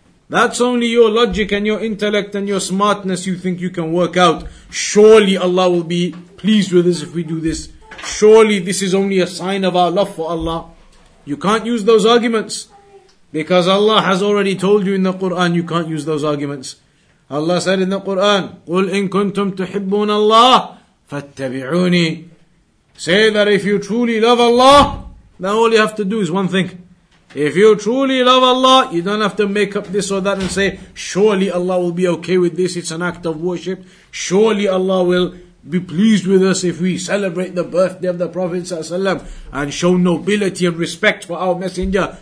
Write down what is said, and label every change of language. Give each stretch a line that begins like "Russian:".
English: That's only your logic and your intellect and your smartness you think you can work out. Surely Allah will be pleased with us if we do this. Surely this is only a sign of our love for Allah. You can't use those arguments, because Allah has already told you in the Quran you can't use those arguments. Allah said in the Quran,
Arabic: قُلْ إِن كُنْتُمْ تُحِبُّونَ اللَّهِ فَاتَّبِعُونِي.
English: Say that if you truly love Allah, then all you have to do is one thing. If you truly love Allah, you don't have to make up this or that and say, surely Allah will be okay with this, it's an act of worship. Surely Allah will be pleased with us if we celebrate the birthday of the Prophet ﷺ and show nobility and respect for our messenger.